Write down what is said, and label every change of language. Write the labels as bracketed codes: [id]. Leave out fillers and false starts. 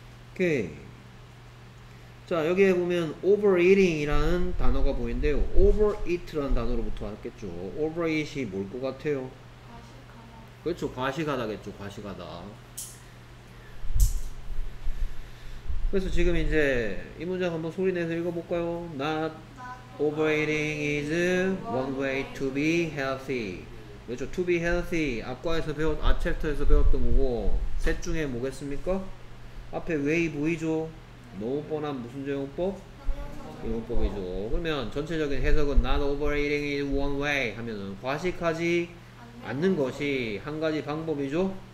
[ko] 오케이. 자 여기에 보면 overeating 이라는 단어가 보이는데요. overeat 라는 단어로부터 왔겠죠. overeat이 뭘 것 같아요? 그렇죠. 과식하다겠죠. 과식하다. 그래서 지금 이제 이 문장 한번 소리내서 읽어볼까요? [en] Not overeating is one way to be healthy. 그렇죠. To be healthy. [ko] 앞챕터에서 배웠던 거고 셋 중에 뭐겠습니까? 앞에 way 보이죠? 너무 뻔한 무슨 조용법? 조용법이죠. 그러면 전체적인 해석은 [en] not overeating in one way [ko] 하면은 과식하지 않는 것이 한 가지 방법이죠.